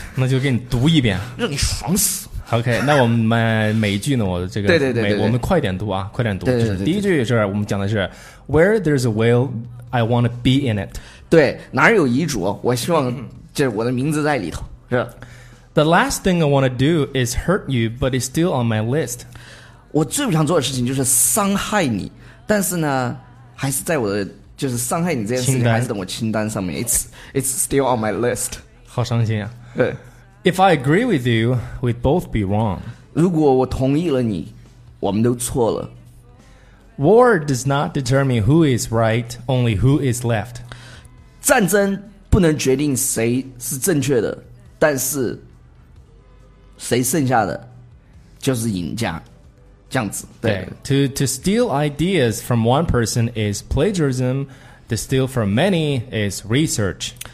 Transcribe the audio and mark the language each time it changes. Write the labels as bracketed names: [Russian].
[Chinese] 那就给你读一遍，让你爽死。 OK， 那我们每一句呢，我这个对对 对, 对, 对, 对，我们快点读啊，快点读。对对对对对，就是第一句是我们讲的是 [English] ，Where there's a will, I want to be in it。 [Chinese] 对，哪有遗嘱，我希望这我的名字在里头，是吧 [English] ？The last thing I want to do is hurt you, but it's still on my list。 [Chinese] 我最不想做的事情就是伤害你，但是呢，还是在我的就是伤害你这件事情还是在我清单上面。 [English] It's still on my list。 [Chinese] 好伤心啊！对。 [English] If I agree with you, we'd both be wrong. [Chinese] 如果我同意了你，我们都错了。 [English] War does not determine who is right, only who is left. [Chinese] 战争不能决定谁是正确的，但是谁剩下的就是赢家，这样子。对, 对 [English] ，to steal ideas from one person is plagiarism. To steal from many is research.